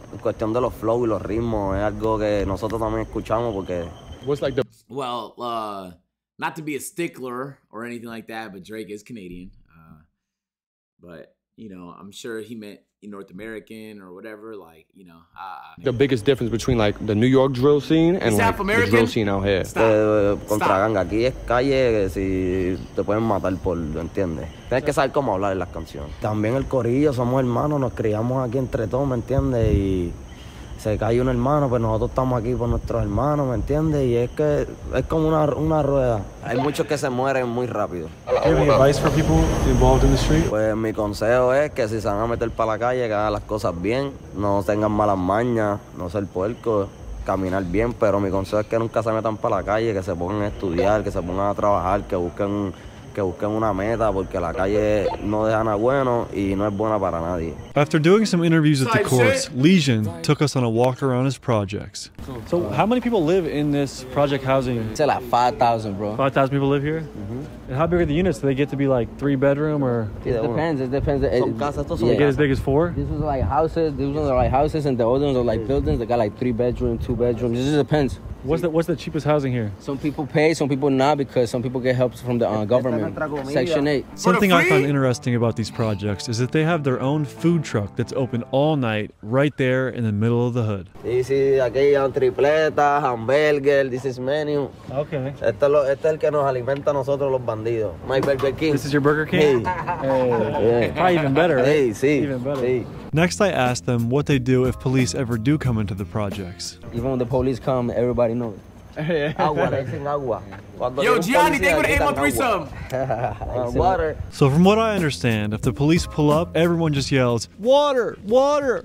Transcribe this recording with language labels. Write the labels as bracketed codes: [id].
[es] En cuestión de los flows y los ritmos, es algo que nosotros también escuchamos porque. [en] What's like the? Well, not to be a stickler or anything like that, but Drake is Canadian. But you know, I'm sure he meant North American or whatever. Like, you know, The biggest difference between like the New York drill scene and like the drill scene out here. [es] Contra ganga, aquí es calle, si te pueden matar por, ¿lo entiendes? Tienes que saber cómo hablar en las canciones. También el corillo, somos hermanos, nos criamos aquí entre todos, ¿me entiendes? Y se cae un hermano, pues nosotros estamos aquí por nuestros hermanos, ¿me entiendes? Y es que es como una rueda. Hay muchos que se mueren muy rápido. ¿Tienes algún advice para personas involucradas en la street? Pues mi consejo es que si se van a meter para la calle, que hagan las cosas bien, no tengan malas mañas, no ser puerco, caminar bien. Pero mi consejo es que nunca se metan para la calle, que se pongan a estudiar, que se pongan a trabajar, que busquen una meta, porque la calle no deja nada bueno y no es buena para nadie. [en] After doing some interviews at the courts, Legion took us on a walk around his projects. So how many people live in this project housing? Say like 5,000, bro. 5,000 people live here? Mm-hmm. And how big are the units? Do they get to be like 3-bedroom or? It depends. They get as big as 4? This is like houses, these ones are like houses, and the other ones are like buildings. They got like 3-bedroom, 2-bedroom. It just depends. What's the cheapest housing here? Some people pay, some people not, because some people get help from the government. Section 8. Something I found interesting about these projects is that they have their own food truck that's open all night right there in the middle of the hood. [es] Sí, aquí hay tripletas, hamburger, [en] this is menu. Okay. [es] Este es el que nos alimenta a nosotros los bandidos. [en] My Burger King. This is your Burger King? Hey. Probably even better, right? [es] Hey, sí. [en] Even better. [es] Sí. [en] Next, I asked them what they do if police ever do come into the projects. Even when the police come, everybody knows. [es] Agua, dicen agua. [en] Yo, Gianni, they would aim on threesome. Water. So from what I understand, if the police pull up, everyone just yells, water, water.